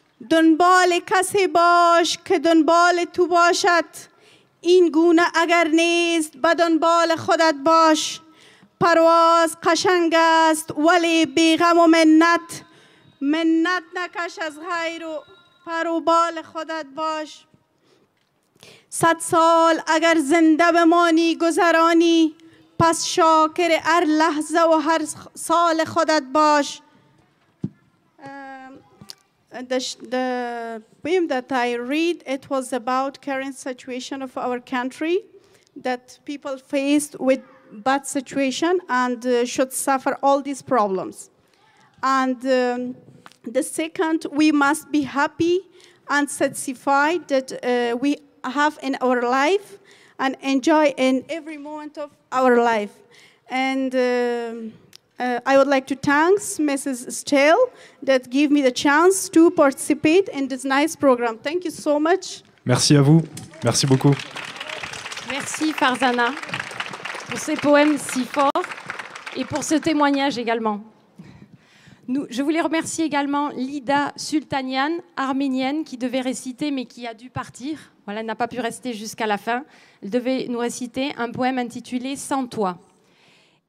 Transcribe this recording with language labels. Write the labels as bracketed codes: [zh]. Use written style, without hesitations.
[fa] دنبال کسی باش که دنبال تو باشد این گونه اگر نیست به دنبال خودت باش پرواز قشنگ است ولی بیغم و منت منت نکش از غیر و پرو بال خودت باش صد سال اگر زنده بمانی گذرانی پس شاکر هر لحظه و هر سال خودت باش [en] The poem that I read, it was about current situation of our country that people faced with bad situation and should suffer all these problems. And the second, we must be happy and satisfied that we have in our life and enjoy in every moment of our life. And I would like to thank Mrs. Steele that gave me the chance to participate in this nice program. Thank you so much. [fr] Merci à vous. Merci beaucoup. Merci Farzana pour ces poèmes si forts et pour ce témoignage également. Je voulais remercier également Lida Sultanian, arménienne, qui devait réciter mais qui a dû partir. Voilà, elle n'a pas pu rester jusqu'à la fin. Elle devait nous réciter un poème intitulé « Sans toi ».